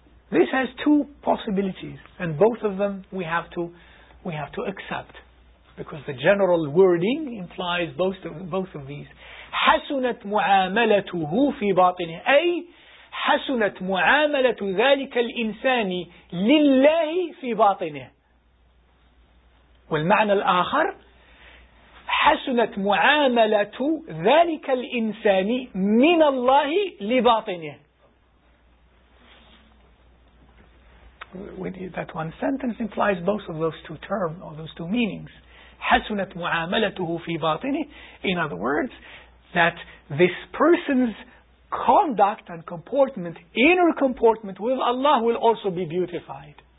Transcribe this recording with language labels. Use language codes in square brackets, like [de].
[en] This has two possibilities, and both of them we have to accept, because the general wording implies both of these. [ar] حسنت معاملته في باطنه, أي حسنت معاملة ذلك الإنسان لله في باطنه. والمعنى الآخر, حسنت معاملة ذلك الإنسان من الله لباطنه. [en] That one sentence implies both of those two terms, or those two meanings. [ar] حسنت معاملته في باطنه. [en] In other words, that this person's conduct and comportment, inner comportment with Allah, will also be beautified.